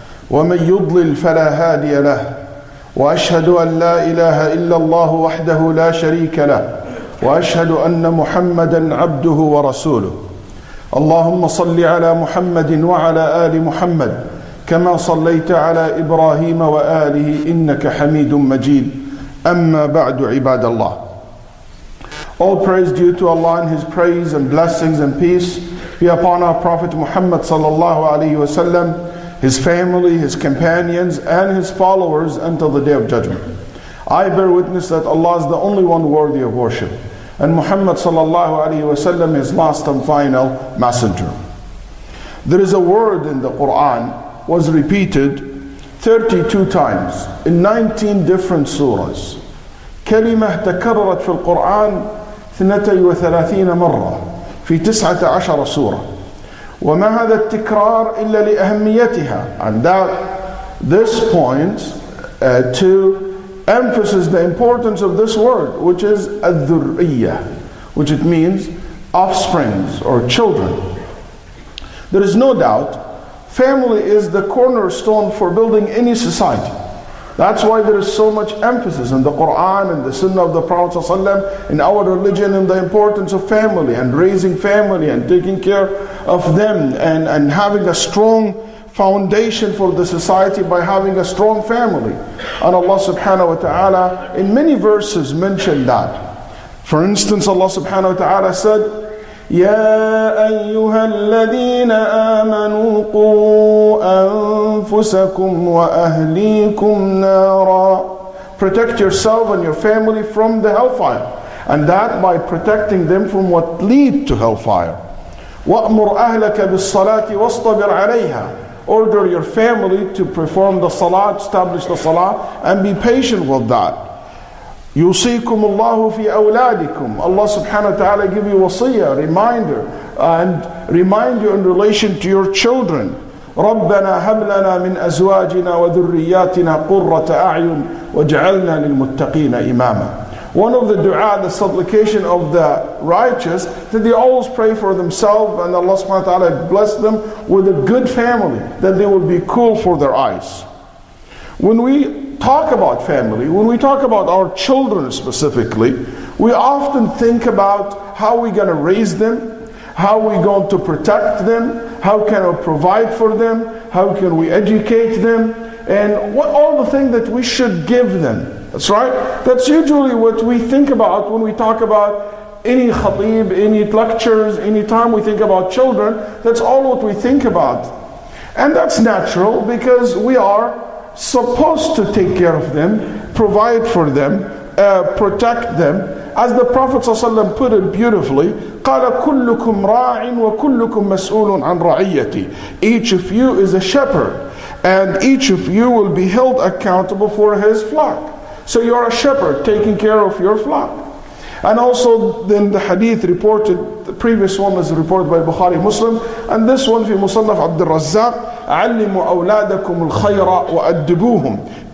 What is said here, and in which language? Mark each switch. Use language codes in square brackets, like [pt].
[ar] ومن يضلل فلا هادي له وأشهد أن لا إله إلا الله وحده لا شريك له وأشهد أن محمدا عبده ورسوله اللهم صل على محمد وعلى آل محمد كما صليت على إبراهيم وآله إنك حميد مجيد أما بعد عباد الله. [en] All praise due to Allah and His praise and blessings and peace be upon our Prophet Muhammad sallallahu alaihi wasallam, his family, his companions, and his followers until the day of judgment. I bear witness that Allah is the only one worthy of worship, and Muhammad sallallahu alaihi wasallam is last and final messenger. There is a word in the Quran was repeated 32 times in 19 different surahs. [ar] كلمة تكررت في القرآن 32 مرة في 19 سورة. وما هذا التكرار إلا لأهميتها. [en] And that, this point to emphasize the importance of this word, which is الذرية, which it means offsprings or children. There is no doubt family is the cornerstone for building any society. That's why there is so much emphasis in the Quran and the Sunnah of the Prophet ﷺ, in our religion, and the importance of family and raising family and taking care of them and having a strong foundation for the society by having a strong family. And Allah subhanahu wa ta'ala in many verses mentioned that. For instance, Allah subhanahu wa ta'ala said, [ar] يا أيها الذين آمنوا قوا أنفسكم وأهليكم نارا. [en] Protect yourself and your family from the hellfire, and that by protecting them from what lead to hellfire. [ar] وأمر أهلك بالصلاة واصطبر عليها. [en] Order your family to perform the salah, establish the salah, and be patient with that. [ar] يوصيكم الله في أولادكم. [en] Allah subhanahu wa ta'ala give you wasiya, reminder, and remind you in relation to your children. [ar] ربنا هب لنا من أزواجنا وذرياتنا قرة أعين وجعلنا للمتقين إماما. [en] One of the dua, the supplication of the righteous, that they always pray for themselves and Allah subhanahu wa ta'ala bless them with a good family, that they will be cool for their eyes. When we talk about family, when we talk about our children specifically, we often think about how we're going to raise them, how we're going to protect them, how can we provide for them, how can we educate them, and what all the things that we should give them. That's right. That's usually what we think about when we talk about any khatib, any lectures, any time we think about children. That's all what we think about. And that's natural because we are supposed to take care of them, provide for them, protect them. As the Prophet ﷺ put it beautifully, [ar] قَالَ كُلُّكُمْ رَاعٍ وَكُلُّكُمْ مَسْؤُولٌ عَنْ رَعِيَّتِي. [en] Each of you is a shepherd, and each of you will be held accountable for his flock. So you are a shepherd taking care of your flock. And also then the hadith reported, the previous one is reported by Bukhari Muslim, and this one [ar] في مصنف عبد الرزاق, عَلِّمُوا أَوْلَادَكُمُ الْخَيْرَ وَأَدِّبُوهُمْ.